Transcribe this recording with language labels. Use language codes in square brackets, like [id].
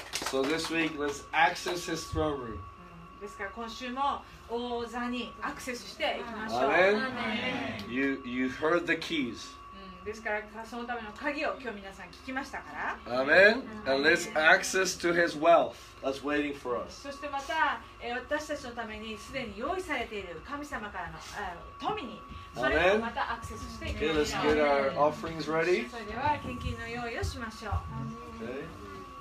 [en] So this week, let's access his throne room. [ja] ですから今週も王座にアクセスしていきましょう。 [en] Amen. You heard the keys. [ja] ですからそのための鍵を今日皆さん聞きましたから。 [en] Amen. And let's access to his wealth that's waiting for us. [ja] そしてまた私たちのためにすでに用意されている神様からの富に、それをまたアクセスしていきましょう。 [en] Okay, let's get our offerings ready. [ja] それでは献金の用意をしましょう。